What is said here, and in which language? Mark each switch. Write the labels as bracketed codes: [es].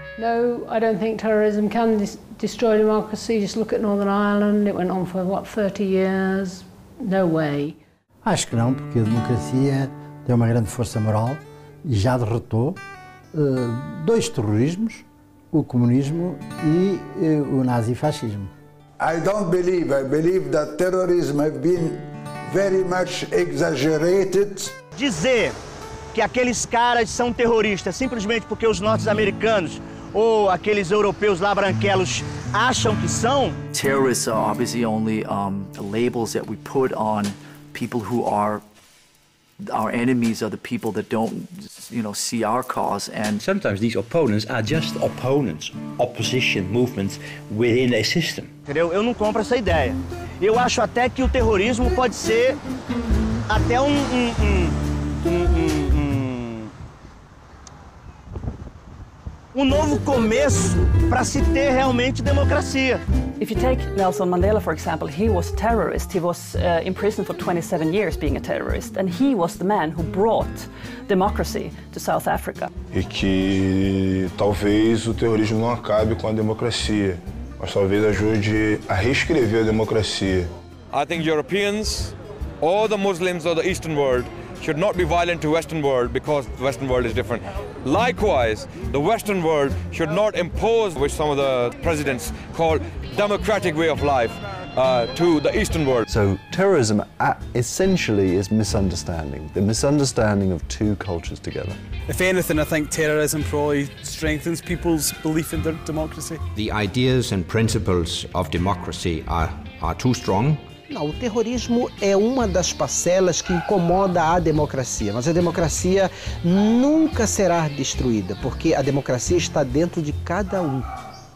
[en] No, I don't think terrorism can destroy democracy. Just look at Northern Ireland. It went on for, what, 30 years? No way. [pt] Acho que não, porque a democracia tem uma grande força moral. Já derrotou dois terrorismos, o comunismo e o nazifascismo. [en] I don't believe. I believe that terrorism has been very much exaggerated. [pt] Dizer que aqueles caras são terroristas simplesmente porque os norte-americanos ou aqueles europeus lá branquelos acham que são. [en] Terrorists are obviously only labels that we put on people who are our enemies, are the people that don't, you know, see our cause. And sometimes these opponents are just opponents, opposition movements within a system. [pt] Entendeu? Eu não compro essa ideia. Eu acho até que o terrorismo pode ser até um novo começo para se ter realmente democracia. [en] If you take Nelson Mandela, for example, he was a terrorist. He was in prison for 27 years being a terrorist. And he was the man who brought democracy to South Africa. [pt] E que talvez o terrorismo não acabe com a democracia, mas talvez ajude a reescrever a democracia. [en] I think Europeans, or the Muslims, or the Eastern world, should not be violent to Western world because the Western world is different. Likewise, the Western world should not impose, which some of the presidents call democratic way of life, to the Eastern world. So terrorism essentially is misunderstanding, the misunderstanding of two cultures together. If anything, I think terrorism probably strengthens people's belief in their democracy. The ideas and principles of democracy are too strong. [pt] Não, o terrorismo é uma das parcelas que incomoda a democracia, mas a democracia nunca será destruída, porque a democracia está dentro de cada um.